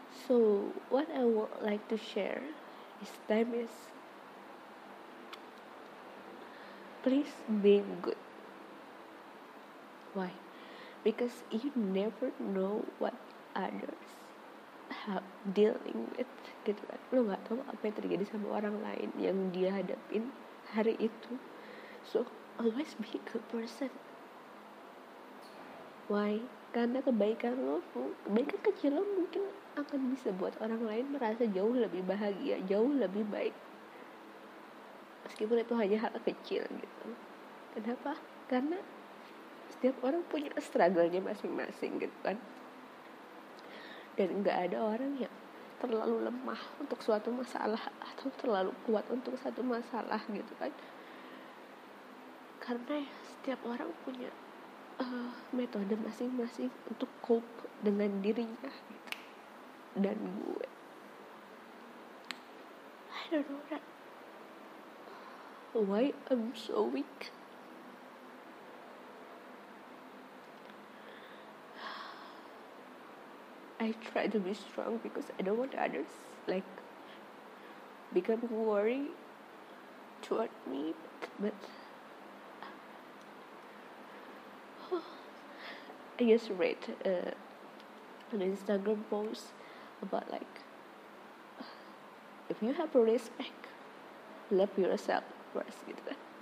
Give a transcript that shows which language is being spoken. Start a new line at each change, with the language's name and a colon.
English: So what I would like to share this time is, please be good. Why? Because you never know what others have dealing with
Indonesian: gitu kan. Lo gak tahu apa yang terjadi sama orang lain yang dia hadapin hari itu.
English: So always be a good person. Why?
Indonesian: Karena kebaikan lo, kebaikan kecil lo mungkin akan bisa buat orang lain merasa jauh lebih bahagia, jauh lebih baik, meskipun itu hanya hal kecil gitu. Kenapa? Karena setiap orang punya struggle-nya masing-masing gitu kan. Dan gak ada orang yang terlalu lemah untuk suatu masalah atau terlalu kuat untuk satu masalah gitu kan. Karena ya, setiap orang punya metode masing-masing untuk cope dengan dirinya gitu. Dan gue,
English: I don't know that why I'm so weak. I try to be strong because I don't want others like become worried toward me, but I just read an Instagram post about like, if you have respect, love yourself first
Indonesian: gitu kan.